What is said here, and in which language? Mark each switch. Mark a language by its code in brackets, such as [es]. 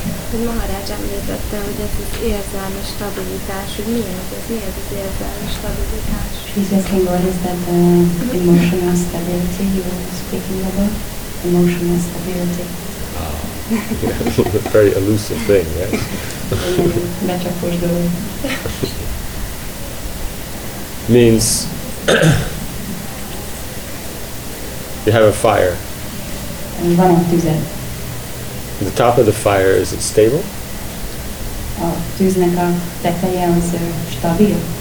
[hu] Hogy Maharaj említette, hogy ez az érzelmi stabilitás, hogy miért az érzelmi stabilitás? [en] He's asking what is that emotional stability you were speaking about? Emotional stability. Oh. Yeah, very elusive thing, yes. Metaphors go. Means you have a fire. [hu] And van egy tüzet. [en] The top of the fire, is it stable? [hu] A tűznek a teteje az stabil.